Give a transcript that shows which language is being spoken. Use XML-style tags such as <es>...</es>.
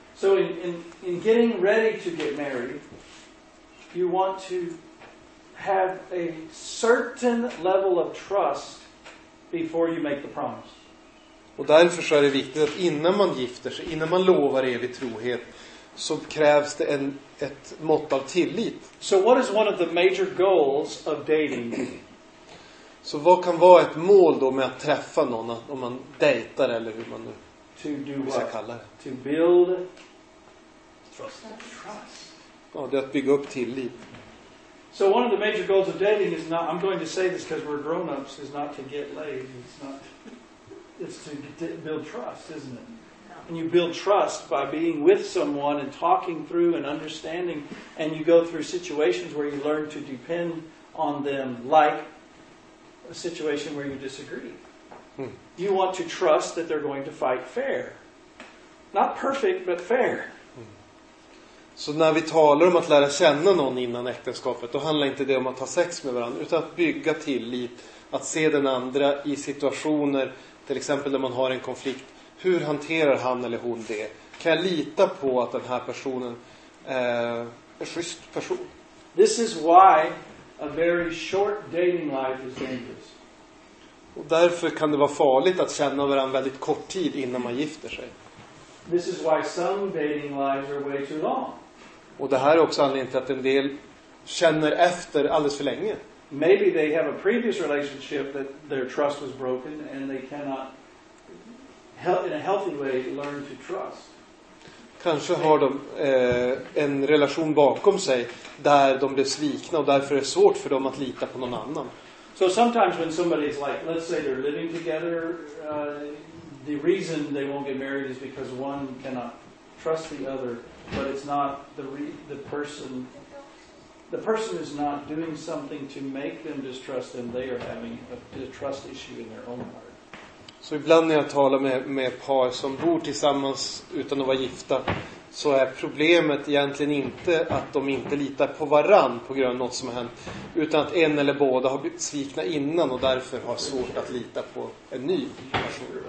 <en>So in getting ready to get married, you want to have a certain level of trust before you make the promise.</en> <sv>Och därför är det viktigt att innan man gifter sig, innan man lovar evig trohet, så krävs det ett mått av tillit.</sv> <en>So what is one of the major goals of dating?</en> <sv>Så vad kan vara ett mål då med att träffa någon, om man dejtar eller hur man nu ska kalla det?</sv> <en>To build trust.</en> <sv>Ja, det är att bygga upp tillit.</sv> <en>So one of the major goals of dating is not, I'm going to say this because we're grown-ups, is not to get laid. It's to build trust, isn't it? And you build trust by being with someone and talking through and understanding, and you go through situations where you learn to depend on them, like a situation where you disagree. You want to trust that they're going to fight fair. Not perfect, but fair.</en> <sv>Så när vi talar om att lära känna någon innan äktenskapet, då handlar inte det om att ha sex med varandra, utan att bygga tillit, att se den andra i situationer, till exempel när man har en konflikt. Hur hanterar han eller hon det? Kan jag lita på att den här personen är en schysst person?</sv> <en>This is why a very short dating life is dangerous.</en> <sv>Och därför kan det vara farligt att känna varandra väldigt kort tid innan man gifter sig.</sv> <en>This is why some dating lives are way too long.</en> <sv>Och det här är också anledningen till att en del känner efter alldeles för länge.</sv> <en>Maybe they have a previous relationship that their trust was broken and they cannot in a healthy way learn to trust.</en> <sv>Kanske har de en relation bakom sig där de blev svikna och därför är det svårt för dem att lita på någon annan.</sv> <en>So sometimes when somebody is like, let's say they're living together, the reason they won't get married is because one cannot trust the other, but it's not the person is not doing something to make them distrust them. They are having a trust issue in their own heart.</en> <sv>Så ibland när jag talar med par som bor tillsammans utan att vara gifta, så är problemet egentligen inte att de inte litar på varann på grund av något som har hänt, utan att en eller båda har blivit svikna innan och därför har svårt att lita på en ny person.</sv>